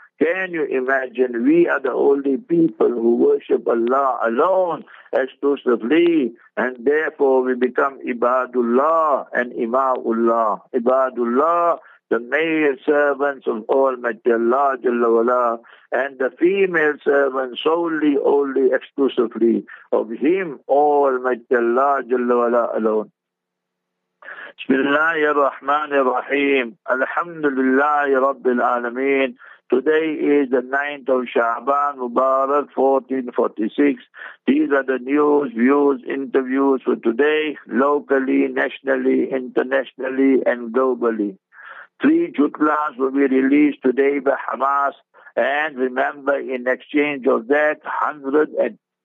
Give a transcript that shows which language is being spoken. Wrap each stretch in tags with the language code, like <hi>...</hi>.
<en>Can you imagine? We are the only people who worship Allah alone, exclusively, and therefore we become Ibadullah and Imaullah. Ibadullah, the male servants of Almighty Allah, Jalla Wala, and the female servants solely, only, exclusively of Him, Almighty Allah, Jalla Wala, alone.</en> <ar>بسم الله الرحمن الرحيم الحمد لله رب العالمين.</ar> <en>Today is the 9th of Sha'ban Mubarak 1446. These are the news, views, interviews for today, locally, nationally, internationally, and globally. Three jutlas will be released today by Hamas, and remember, in exchange of that, 100 and</en>